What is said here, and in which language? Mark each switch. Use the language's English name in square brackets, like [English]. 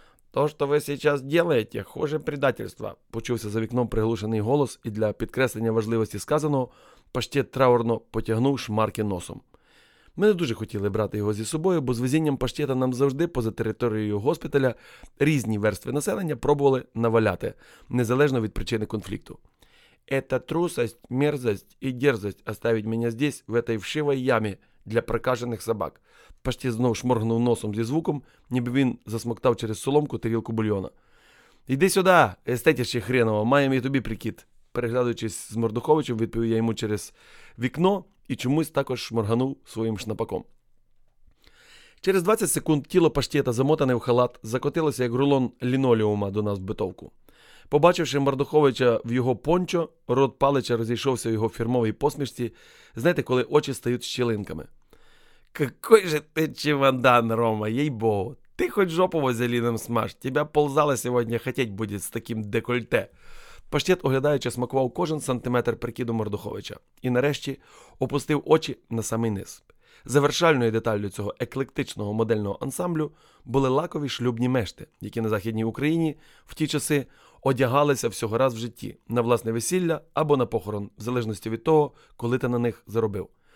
[Ukrainian] «То, що ви зараз робите, [Russian] хуже предательства», [Ukrainian] – почувся за вікном приглушений голос, і для підкреслення важливості сказаного паштєт траурно потягнув шмарки носом. Ми не дуже хотіли брати його зі собою, бо з везінням паштєта нам завжди поза територією госпіталя різні верстви населення пробували наваляти, незалежно від причини конфлікту. [Russian] Это трусость, мерзость и дерзость оставить меня здесь, в этой вшивой яме для прокаженных собак. [Ukrainian] Почти знову шморгнув носом зі звуком, ніби він засмоктав через соломку тарілку бульйона. «Іди сюди, естетище хреново, маємо і тобі прикид!» Переглядаючись з Мордуховичем, відповів я йому через вікно і чомусь також шморганув своїм шнапаком. Через 20 секунд тіло паштєта, замотане в халат, закотилося, як рулон лінолеума до нас в битовку. Побачивши Мордуховича в його пончо, рот Палича розійшовся в його фірмовій посмішці, знаєте, коли очі стають щілинками. [Russian] «Какой же ты чемодан, Рома, ей-богу! Ты хоть жопу вазелином смажь, тебя ползала сегодня хотеть будет с таким декольте!» [Ukrainian] Паштет, оглядаючи, смакував кожен сантиметр прикиду Мордуховича і нарешті опустив очі на самий низ. Завершальною деталлю цього еклектичного модельного ансамблю були лакові шлюбні мешти, які на Західній Україні в ті часи одягалися всього раз в житті – на власне весілля або на похорон, в залежності від того, коли ти на них заробив.